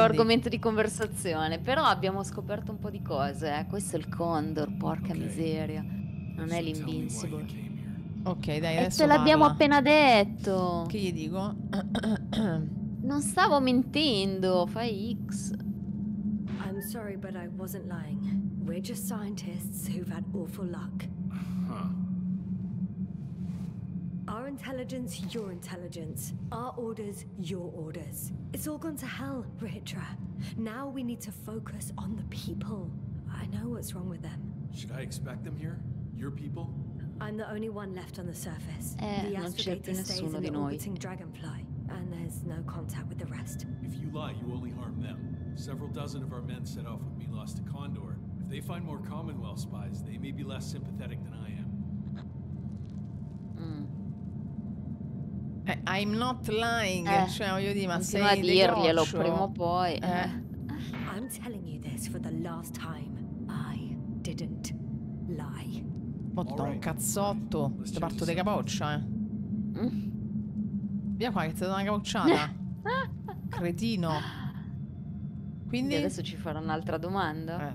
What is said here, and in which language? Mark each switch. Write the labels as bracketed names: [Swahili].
[Italian] argomento di conversazione. Però abbiamo scoperto un po' di cose. Questo è il Condor, porca miseria. Non è l'Invincible. Ok, dai, adesso e ce l'abbiamo appena detto. Che gli dico? Non stavo mentendo, fai X. [English] I'm sorry, but I wasn't lying. We're just scientists who've had awful luck. Our intelligence, your intelligence. Our orders, your orders. It's all gone to hell, Rhaetra. Now we need to focus on the people. I know what's wrong with them. Should I expect them here? Your people? I'm the only one left on the surface. The Astrogator stays in the orbiting dragonfly, and there's no contact with the rest. If you lie, you only harm them. Several dozen of our men set off with me lost to Condor. If they find more Commonwealth spies, they may be less sympathetic than I am. I'm not lying. [Italian] Cioè, voglio dire, ma sei dirglielo prima o poi. [English] I'm telling you this for the last time. I didn't lie. [Italian] Botta un cazzotto. Ti parto di capoccia, Via qua, che ti do una capocciata. Cretino. Quindi adesso ci farò un'altra domanda.